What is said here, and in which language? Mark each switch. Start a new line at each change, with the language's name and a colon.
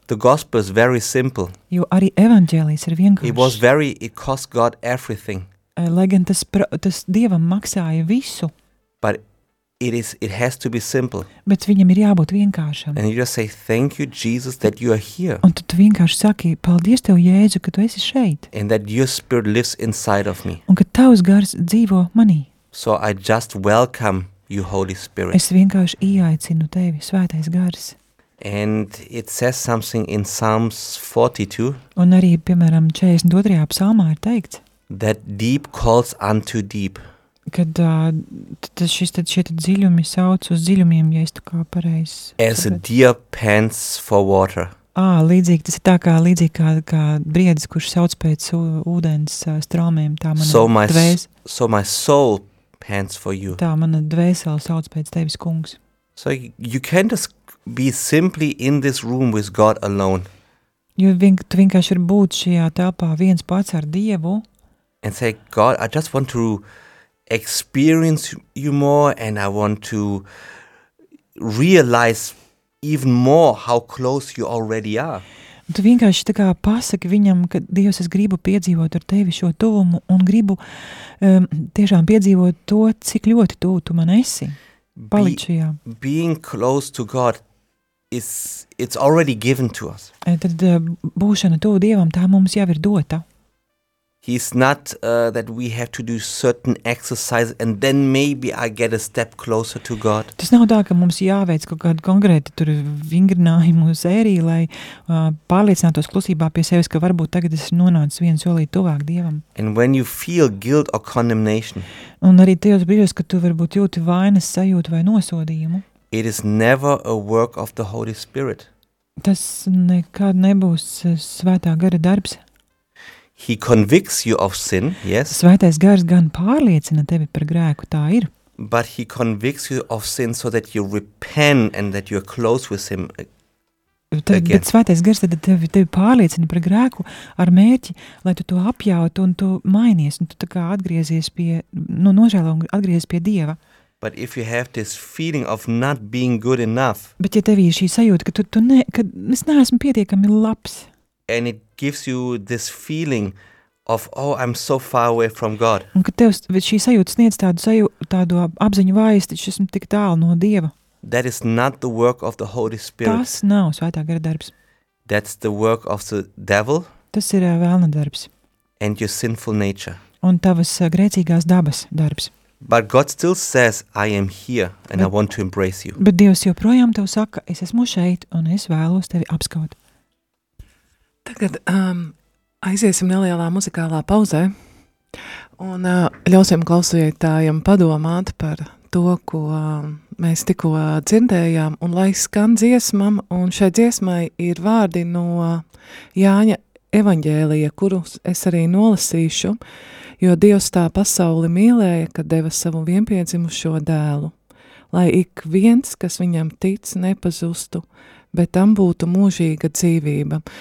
English: The gospel is very simple.
Latvian: Jo arī evanģēlijs ir vienkāršs.
English: It cost God everything.
Latvian: Lai gan tas Dievam maksāja visu.
English: But it has to be simple.
Latvian: Bet viņam ir jābūt vienkāršam.
English: And you just say thank you Jesus that you are here.
Latvian: Un tu vienkārši saki paldies tev Jēzu, ka tu esi šeit.
English: And that your spirit lives inside of me.
Latvian: Un ka tavs gars dzīvo manī.
English: So I just welcome you Holy Spirit.
Latvian: Es vienkārši ieaicinu tevi, Svētais Gars.
English: And it says something in Psalms 42.
Latvian: Un arī piemēram 42. Psalmā ir teikts.
English: That deep calls unto deep.
Latvian: Kad šie dziļumi sauc uz dziļumiem, ja es tu kā pareizi.
English: As a deer pants for water.
Latvian: Līdzīgi, tas ir tā kā līdzīgi kā briedis, kurš sauc pēc ūdens straumiem, tā mana
English: So my soul pants for you.
Latvian: Tā mana dvēsele sauc pēc tevis, Kungs.
English: So you can just be simply in this room with God alone.
Latvian: Jo tu vienkārši var būt šajā telpā viens pats ar Dievu.
English: And say, God, I just want to experience you more and I want to realize even more how close you already are.
Latvian: Tu vienkārši tā kā pasaki viņam, ka Dievs, es gribu piedzīvot ar tevi šo tuvumu un gribu tiešām piedzīvot to, cik ļoti tu man esi. Paličajā.
English: Being close to God it's already given to us.
Latvian: Tad būšana tuvu Dievam, tā mums jau ir dota.
English: He's not that we have to do certain exercise and then maybe I get a step closer to God.
Latvian: Tas nav tā, ka mums jāveic kaut kādu konkrētu tur vingrinājumu sēriju, lai pārliecinātos klusībā pie sevis, ka varbūt tagad es nonācu vienu solī tuvāk Dievam.
English: And when you feel guilt or condemnation.
Latvian: Un arī tajos brīžos, ka tu varbūt jūti vainas sajūtu vai nosodījumu.
English: It is never a work of the Holy Spirit.
Latvian: Tas nekad nebūs Svētā Gara darbs.
English: He convicts you of sin, yes.
Latvian: Svētais Gars gan pārliecina tevi par grēku, tā ir.
English: But he convicts you of sin so that you repent and that you are close with him.
Latvian: Bet Svētais Gars tad tevi pārliecina par grēku ar mērķi, lai tu to apjautu un tu mainies, un tu tā kā atgriezies pie, nu, nožēlo un atgriezies pie Dieva.
English: But if you have this feeling of not being good enough.
Latvian: Bet ja tevī šī sajūta, ka tu ne, ka es neesmu pietiekami labs.
English: And it gives you this feeling of oh, I'm so far away from God.
Latvian: Un ka tev šī sajūta sniedz tādu apziņu vājas, ka esmu tik tālu no Dieva.
English: That is not the work of the Holy Spirit.
Latvian: Tas nav Svētā Gara darbs.
English: That's the work of the devil.
Latvian: Tas ir vēlna darbs.
English: And your sinful nature.
Latvian: Un tavas grēcīgās dabas darbs.
English: But God still says, I am here and I want to embrace you.
Latvian: Bet Dievs joprojām tev saka, es esmu šeit un es vēlos tevi apskaut. Tagad aiziesim nelielā muzikālā pauzē un ļausim klausītājiem padomāt par to, ko mēs tikko dzirdējām, un lai skan dziesmam, un šai dziesmai ir vārdi no Jāņa evaņģēlija, kurus es arī nolasīšu, jo Dievs tā pasauli mīlēja, kad deva savu vienpiedzimušo dēlu, lai ik viens, kas viņam tic, nepazustu, bet tam būtu mūžīga dzīvība.